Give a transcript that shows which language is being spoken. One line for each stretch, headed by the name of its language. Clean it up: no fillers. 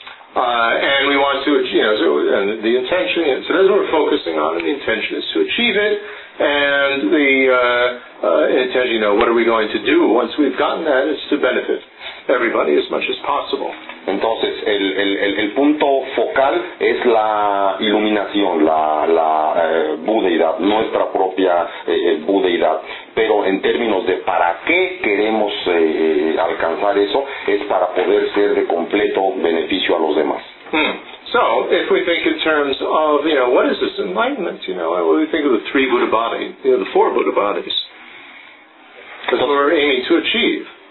English: And we want to achieve, and the intention, so that's what we're focusing on, and the intention is to achieve it, and the intention, what are we going to do once we've gotten that, is to benefit everybody as much as possible.
Spanish: Entonces, el punto focal es la iluminación, la budeidad, nuestra propia budeidad. Pero en términos de para qué queremos alcanzar eso, es para poder ser de completo beneficio a los demás.
English: So, if we think in terms of, what is this enlightenment, we think of the three Buddha bodies, the four Buddha bodies, that we're aiming to achieve.